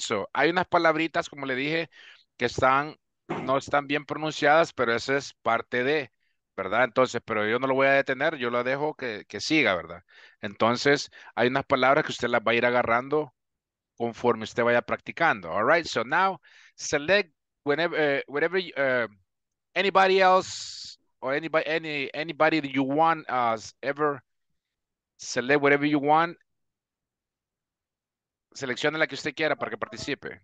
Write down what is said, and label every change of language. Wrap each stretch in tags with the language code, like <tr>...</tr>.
<es>So hay unas palabritas, como le dije, que no están bien pronunciadas, pero eso es parte de, ¿verdad? Entonces, pero yo no lo voy a detener, yo lo dejo que siga, ¿verdad? Entonces, hay unas palabras que usted las va a ir agarrando conforme usted vaya practicando.</es> <en>All right, so now, select anybody else, or anybody that you want as ever, select whatever you want.</en> <es>Seleccione la que usted quiera para que participe.</es>